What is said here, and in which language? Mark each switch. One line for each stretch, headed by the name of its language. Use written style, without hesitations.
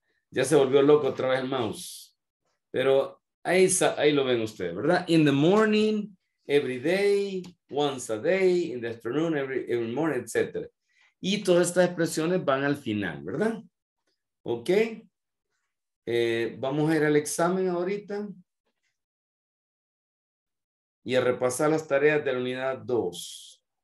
Spanish: Ya se volvió loco otra vez el mouse. Pero ahí lo ven ustedes, ¿verdad?
English: In the morning, every day, once a day, in the afternoon, every morning, etc.
Spanish: Y todas estas expresiones van al final, ¿verdad? Ok. Vamos a ir al examen ahorita. Y a repasar las tareas de la unidad 2.